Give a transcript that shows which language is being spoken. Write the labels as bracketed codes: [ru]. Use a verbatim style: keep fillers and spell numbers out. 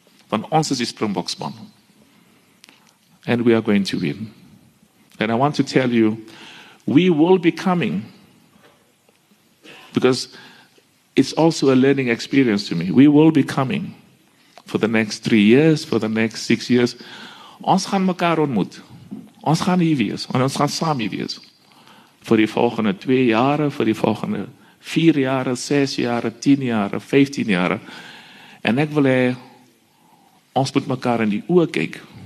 [af] Want ons is die Springbokspan. [en] And we are going to win. And I want to tell you, we will be coming. Because it's also a learning experience to me. We will be coming for the next three years, for the next six years. [af] Ons gaan mekaar ontmoet. Ons gaan hier wees, en ons gaan saam hier wees. Vir die volgende twee jare, vir die volgende vier jare, zes jare, tien jare, vijftien jare. En ek wil hê, ons moet mekaar in die oë kyk.